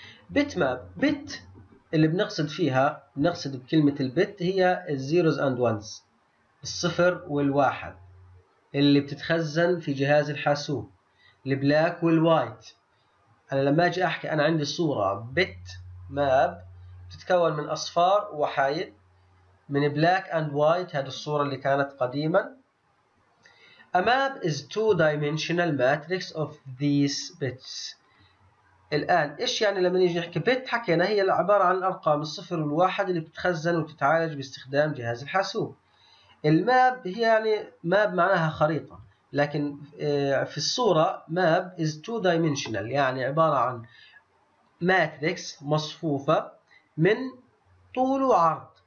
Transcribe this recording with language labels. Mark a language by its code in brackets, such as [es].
[ar] بيت ماب، بيت اللي بنقصد فيها، بنقصد بكلمة البت هي الزيروز اند وانز، الصفر والواحد اللي بتتخزن في جهاز الحاسوب، البلاك والوايت. انا لما اجي احكي انا عندي صورة بت ماب بتتكون من اصفار وحايد، من بلاك اند وايت هذه الصورة اللي كانت قديما. [en] A map is two dimensional matrix of these bits. [ar] الآن إيش يعني لما نيجي نحكي بت؟ حكينا هي عبارة عن الأرقام الصفر والواحد اللي بتتخزن وتتعالج باستخدام جهاز الحاسوب. الماب هي يعني ماب معناها خريطة، لكن في الصورة ماب [en] is two dimensional [ar] يعني عبارة عن ماتريكس مصفوفة من طول وعرض.